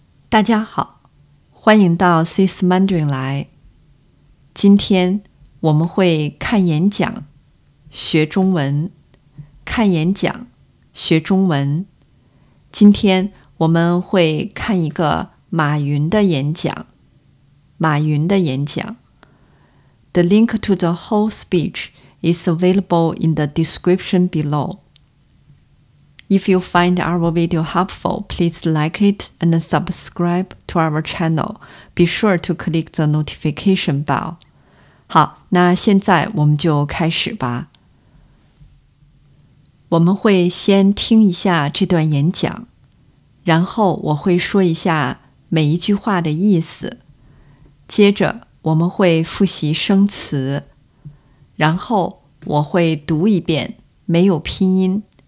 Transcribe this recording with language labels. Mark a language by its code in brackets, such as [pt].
[zh] 大家好，欢迎到 SyS Mandarin 来。今天我们会看演讲，学中文。看演讲，学中文。今天我们会看一个马云的演讲。马云的演讲。 [en] The link to the whole speech is available in the description below. If you find our video helpful, please like it and subscribe to our channel. Be sure to click the notification bell. [zh] 好，那现在我们就开始吧。我们会先听一下这段演讲，然后我会说一下每一句话的意思。接着我们会复习生词，然后我会读一遍，没有拼音。